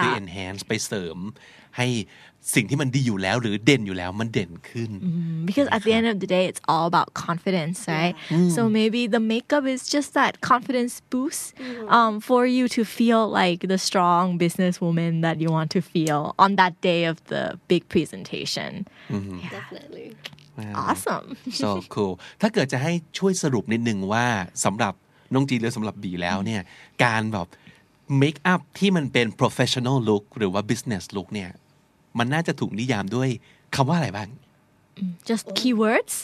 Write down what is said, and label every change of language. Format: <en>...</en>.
<th>คือ enhance ไปเสริมให้สิ่งที่มันดีอยู่แล้วหรือเด่นอยู่แล้วมันเด่นขึ้น</th> <en>Because at the end of the day, it's all about confidence, right? Yeah. Mm-hmm. So maybe the makeup is just that confidence boost for you to feel like the strong businesswoman that you want to feel on that day of the big presentation. Definitely. Awesome. So cool.</en> <th>ถ้าเกิดจะให้ช่วยสรุปนิดนึงว่าสำหรับน้องจีหรือสำหรับบีแล้วเนี่ยการแบบเมคอัพที่มันเป็น professional look หรือว่า business look เนี่ยมันน่าจะถูกนิยามด้วยคำว่าอะไรบ้าง</th> <en>Just keywords?</en>